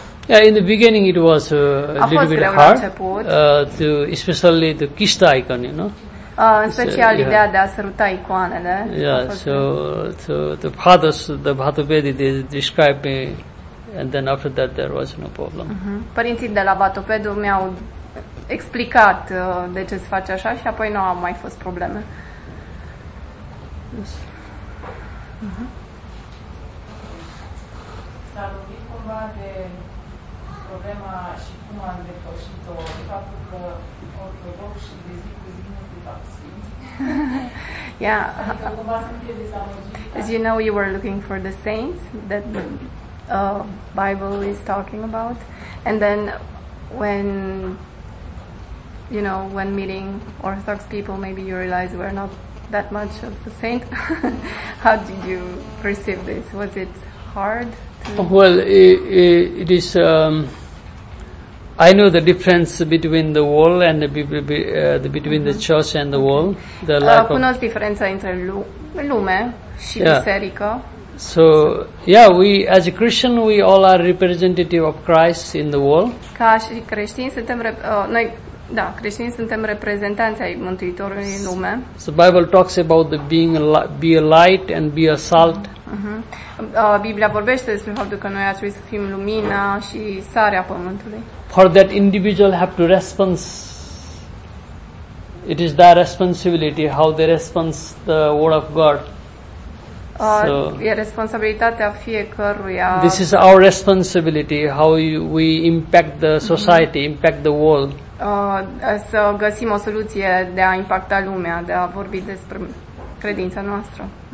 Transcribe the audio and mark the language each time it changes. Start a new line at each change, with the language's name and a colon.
English: yeah, in the beginning it was little bit hard, to especially the kissed icon, you know.
Romanian: Special ideea de a săruta icoanele.
English: Yeah, so the fathers, the Bhatopedi, they described me, and then after that there was no problem.
Romanian: Părinții de la Bhatopedu mi-au explicat de ce se face așa și apoi nu au mai fost probleme. S-a vorbit cumva de problema și cum am depășit-o, de faptul că ortodoxii de zi cu zi nu de fapt sfinți. Adică cumva sunt fie dezamăgită.
English: As you know, you were looking for the saints that the Bible is talking about. And then when you know, when meeting Orthodox people, maybe you realize we're not that much of the saint. How did you perceive this? Was it hard? Well, it is. I know the difference between the world and between the church and the world. The life.
Romanian: Cunosc diferența între lume și biserică.
English: So yeah, we as a Christian, we all are representative of Christ in the world.
Romanian: Ca și creștini, suntem noi. Da, creștinii suntem reprezentanți ai Mântuitorului în lume.
English: So Bible talks about the being be a light and be a salt.
Romanian: Biblia vorbește despre faptul că noi ar trebui să fim lumina și sarea pământului.
English: For that individual have to respond. It is their responsibility how they respond the word of God.
Romanian: E responsabilitatea fiecăruia.
English: This is our responsibility how we impact the society, impact the world.
Romanian: Să găsim o soluție de a impacta lumea, de a vorbi despre credința noastră.